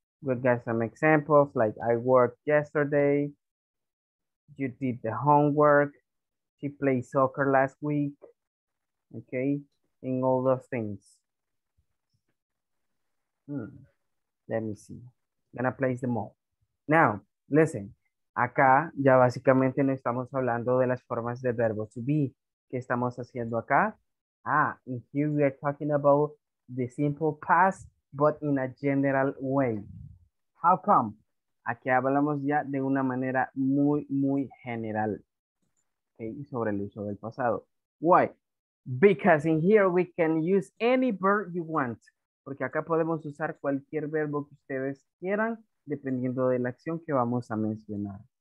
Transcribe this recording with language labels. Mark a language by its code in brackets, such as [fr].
[en] We've got some examples like I worked yesterday, you did the homework, she played soccer last week, okay? And all those things. Let me see, I'm gonna place them all. Now, listen, [es] Acá ya básicamente no estamos hablando de las formas de verbo to be. ¿Qué estamos haciendo acá? [en] Ah, in here we are talking about the simple past, but in a general way. How come? [es] Aquí hablamos ya de una manera muy, muy general. Okay, sobre el uso del pasado. [en] Why? Because in here we can use any verb you want. [es] Porque acá podemos usar cualquier verbo que ustedes quieran, dependiendo de la acción que vamos a mencionar.